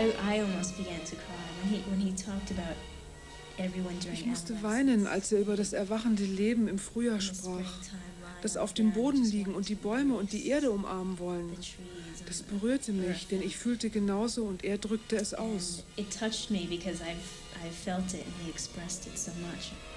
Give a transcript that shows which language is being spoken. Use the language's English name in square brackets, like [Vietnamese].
[English] I almost began to cry when he talked about everyone during [German] Ich musste weinen, als er über das erwachende Leben im Frühjahr sprach. Das auf dem Boden liegen und die Bäume und die Erde umarmen wollen. Das berührte mich, denn ich fühlte genauso und er drückte es aus. [English] It touched me because I felt it and he expressed it so much.